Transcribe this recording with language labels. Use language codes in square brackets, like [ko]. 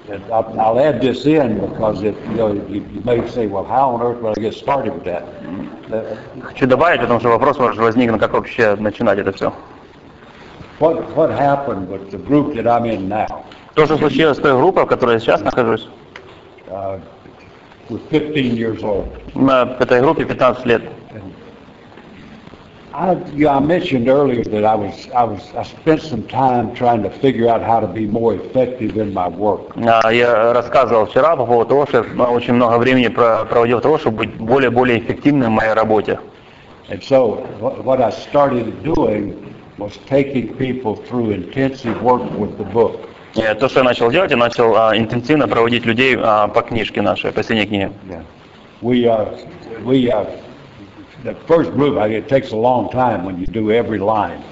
[en] I'll add this in because if you may say, well, how on earth will I get started with that? [ru] Хочу добавить, потому что вопрос может возникнуть, как вообще начинать это все. [en] What happened with the group that I'm in now? [ru] То, что случилось с той группой, в которой я сейчас нахожусь. [en] With 15 years old. [ru] На этой группе 15 лет. [en] I mentioned earlier that I spent some time trying to figure out how to be more effective in my work. [ru] Я рассказывал вчера по поводу того, что я очень много времени проводил того, чтобы быть более эффективным в моей работе. [en] And so what I started doing was taking people through intensive work with the book. [ru] То, что я начал делать, я начал интенсивно проводить людей по книжке нашей, последней книге. [en] The first group, it takes a long time when you do every line.